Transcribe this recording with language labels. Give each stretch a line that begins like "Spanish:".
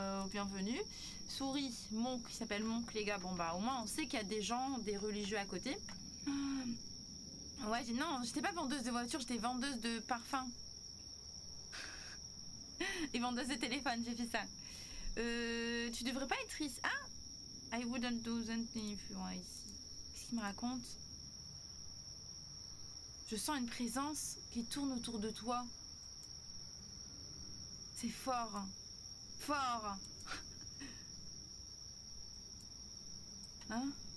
French: Bienvenue. Souris, Monk, il s'appelle Monk, les gars. Bon, bah, au moins, on sait qu'il y a des gens, des religieux à côté. Ouais, non, j'étais pas vendeuse de voitures, j'étais vendeuse de parfums. Et vendeuse de téléphone, j'ai fait ça. Tu devrais pas être triste.
English: Ah! I wouldn't do anything if you were
French: ici. Qu'est-ce qu'il me raconte? Je sens une présence qui tourne autour de toi. C'est fort. Fort! Hein?